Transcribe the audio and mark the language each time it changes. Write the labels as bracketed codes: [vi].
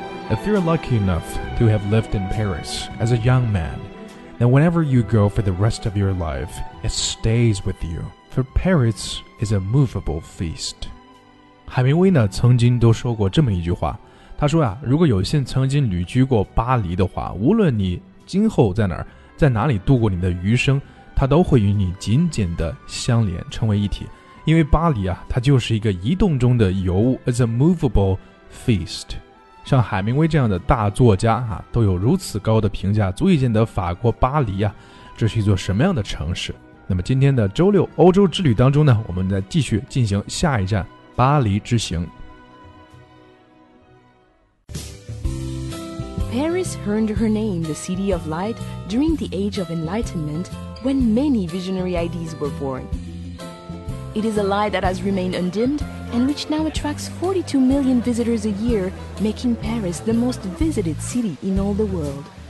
[en] If you're lucky enough to have lived in Paris as a young man, then whenever you go for the rest of your life, it stays with you. For Paris is a movable feast. [zh] 海明威呢曾经都说过这么一句话，他说啊，如果有幸曾经旅居过巴黎的话，无论你今后在哪儿，在哪里度过你的余生，它都会与你紧紧的相连，成为一体。因为巴黎啊，它就是一个移动中的尤物 ， [en] is a movable feast。 [zh] 像海明威这样的大作家啊，都有如此高的评价，足以见得法国巴黎啊，这是一座什么样的城市。那么今天的周六欧洲之旅当中呢，我们再继续进行下一站巴黎之行。 [en] Paris earned her name, the city of light, during the age of enlightenment, when many visionary ideas were born. It is a light that has remained undimmed and which now attracts 42 million visitors a year, making Paris the most visited city in all the world.